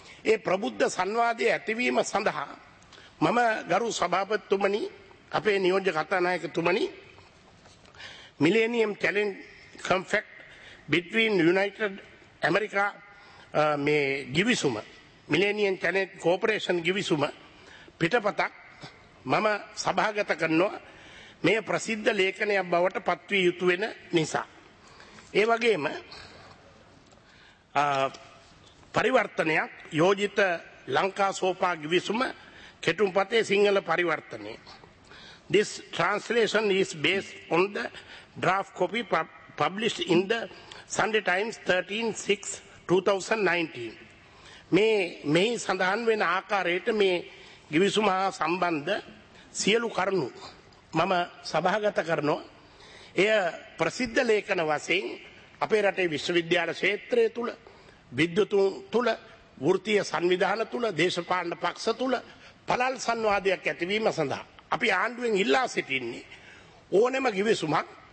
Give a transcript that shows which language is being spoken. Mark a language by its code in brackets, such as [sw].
[si] ඒ ප්‍රබුද්ධ සංවාදයේ ඇතිවීම සඳහා මම ගරු සභාපතිතුමනි, අපේ නියෝජ්‍ය කතානායකතුමනි, මිලේනියම් චැලෙන්ජ් කොන්ෆ්ලික්ට් බිට්වීන් යුනයිටඩ් ඇමරිකා මේ ගිවිසුම, මිලේනියම් චැලෙන්ජ් කෝපරේෂන් ගිවිසුම පිටපතක් මම සභාගත කරනවා. මේ ප්‍රසිද්ධ ලේඛනයක් බවට පත්විය යුතු වෙන නිසා. ඒ වගේම පරිවර්තනයක් යෝජිත ලංකා සෝපා ගිවිසුම කෙටුම්පතේ සිංහල පරිවර්තනය. [en] This translation is based on the draft copy published in the Sunday Times 13/6/2019. [si] මේ සඳහන් වෙන ආකාරයට මේ ගිවිසුම හා සම්බන්ධ සියලු කරුණු මම සභාගත කරනවා. එය ප්‍රසිද්ධ ලේඛන වශයෙන් අපේ රටේ විශ්වවිද්‍යාල ක්ෂේත්‍රය තුළ විද්‍යුතුන් තුළ වෘත්තීය සංවිධාන තුළ දේශපාලන පක්ෂ තුළ පළල් සංවාදයක් ඇතිවීම සඳහා අපි ආණ්ඩුවෙන් ඉල්ලා සිටින්නේ ඕනෑම ගිවිසුමක්